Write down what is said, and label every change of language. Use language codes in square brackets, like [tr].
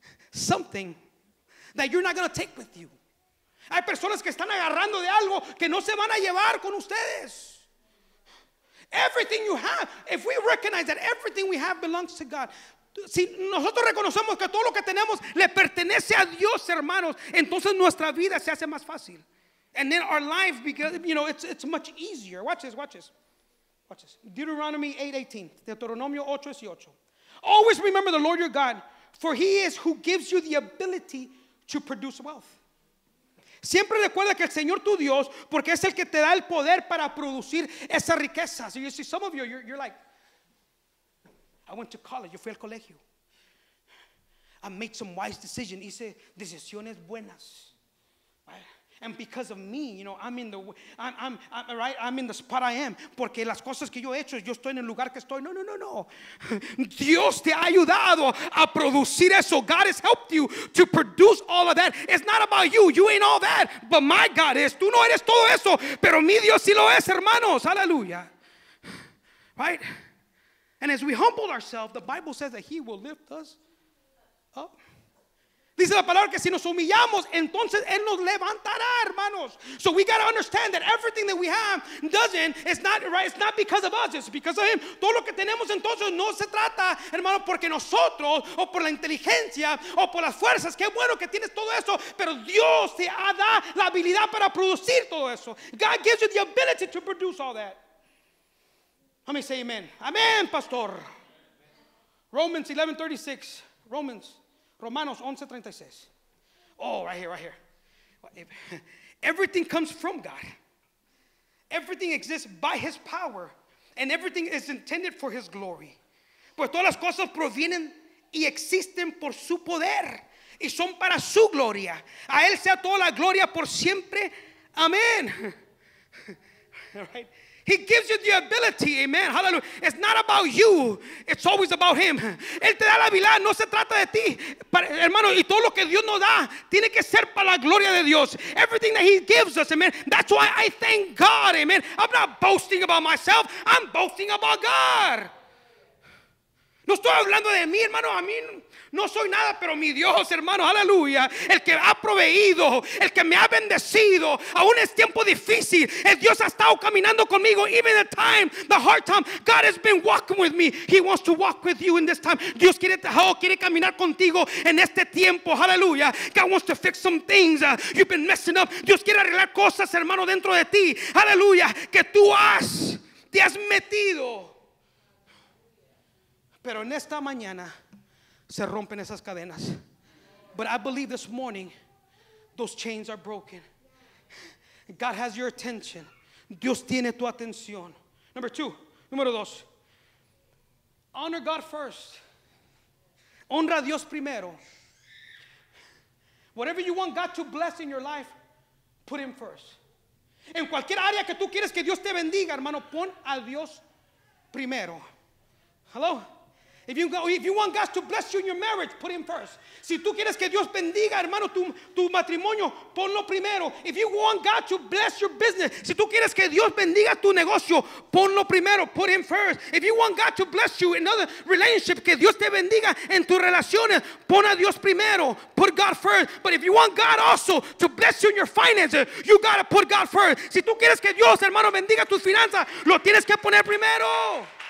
[en] Something that you're not going to take with you. [es] Hay personas que están agarrando de algo que no se van a llevar con ustedes. [en] Everything you have. If we recognize that everything we have belongs to God. [es] Si nosotros reconocemos que todo lo que tenemos le pertenece a Dios, hermanos. Entonces nuestra vida se hace más fácil. [en] And then our life, because you know, it's much easier. Watch this. Deuteronomy 8:18. Deuteronomio 8:18. Always remember the Lord your God, for he is who gives you the ability to produce wealth. [es] Siempre recuerda que el Señor tu Dios, porque es el que te da el poder para producir esa riqueza. [en] So you see, some of you, you're like, I went to college. [es] Yo fui al colegio. [en] I made some wise decisions. [es] Hice decisiones buenas. [en] And because of me, you know, I'm in the spot I am. [es] Porque las cosas que yo he hecho, yo estoy en el lugar que estoy. No. Dios te ha ayudado a producir eso. [en] God has helped you to produce all of that. It's not about you. You ain't all that. But my God is. [es] Tú no eres todo eso. Pero mi Dios sí lo es, hermanos. Hallelujah. Right? [en] And as we humble ourselves, the Bible says that he will lift us up. [es] Dice la palabra que si nos humillamos, entonces Él nos levantará, hermanos. [en] So we got to understand that everything that we have it's not because of us, it's because of Him. [es] Todo lo que tenemos entonces no se trata, hermano, porque nosotros, o por la inteligencia, o por las fuerzas. Qué bueno que tienes todo eso, pero Dios te ha dado la habilidad para producir todo eso. [en] God gives you the ability to produce all that. Let me say amen. Amen, pastor. Romans 11:36. Romanos 11:36. Oh, right here. Everything comes from God. Everything exists by his power, and everything is intended for his glory. [es] Pues todas las cosas provienen y existen por su poder, y son para su gloria. A él sea toda la gloria por siempre. [en] Amén. Right. He gives you the ability, amen, hallelujah. It's not about you, it's always about him. [es] Él te da la habilidad, no se trata de ti. Para, hermano, y todo lo que Dios nos da tiene que ser para la gloria de Dios. [en] Everything that he gives us, amen. That's why I thank God, amen. I'm not boasting about myself, I'm boasting about God. [es] No estoy hablando de mí, hermano, a mí no soy nada, pero mi Dios, hermano, aleluya, el que ha proveído, el que me ha bendecido, aún es tiempo difícil, el Dios ha estado caminando conmigo, [en] even the time, the hard time, God has been walking with me, he wants to walk with you in this time, [es] Dios quiere, oh, quiere caminar contigo en este tiempo, aleluya, [en] God wants to fix some things, you've been messing up, [es] Dios quiere arreglar cosas, hermano, dentro de ti, aleluya, que tú has, te has metido, pero en esta mañana, se rompen esas cadenas. [en] But I believe this morning those chains are broken. God has your attention. [es] Dios tiene tu atención. [en] Number two. [es] Número dos. [en] Honor God first. [es] Honra a Dios primero. [en] Whatever you want God to bless in your life, put him first. [es] En cualquier área que tú quieres que Dios te bendiga, hermano, pon a Dios primero. [en] Hello? If you want God to bless you in your marriage, put him first. [es] Si tú quieres que Dios bendiga, hermano, tu matrimonio, ponlo primero. [en] If you want God to bless your business, [es] si tú quieres que Dios bendiga tu negocio, ponlo primero, [en] put him first. If you want God to bless you in another relationship, [es] que Dios te bendiga en tus relaciones, pon a Dios primero, [en] put God first. But if you want God also to bless you in your finances, you gotta put God first. [es] Si tú quieres que Dios, hermano, bendiga tus finanzas, lo tienes que poner primero.